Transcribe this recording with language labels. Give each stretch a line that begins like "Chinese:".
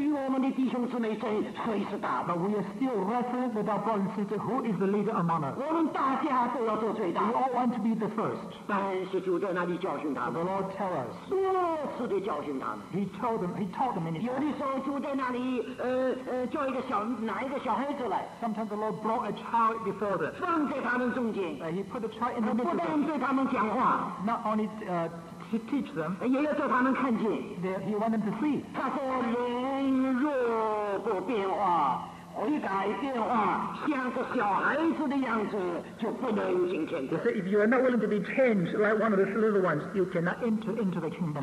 Chinese: 但是我们却在那里，以至于我们的弟兄姊妹争谁是大。
English: But we are still wrestling with our brothers and sisters, who is the leader among us?
Chinese: 我们大家都要做最大。
English: We all want to be the first.
Chinese: 但是主在那里教训他们。
English: The Lord tells us.
Chinese: 多次地教训他们。
English: He told them many times.
Chinese: 有的时候主在那里，叫一个小孩子来。
English: Sometimes the Lord brought a child before them.
Chinese: 放在他们中间。
English: He put the child in the middle.
Chinese: 不但对他们讲话。
English: Not only to teach them,
Chinese: 也要叫他们看见,
English: he want them to see.
Chinese: 他说人若不变化, 悔改变化, 像个小孩子的样子, 就不能进天国。
English: He said, if you are not willing to be changed like one of the little ones, you cannot enter into the kingdom.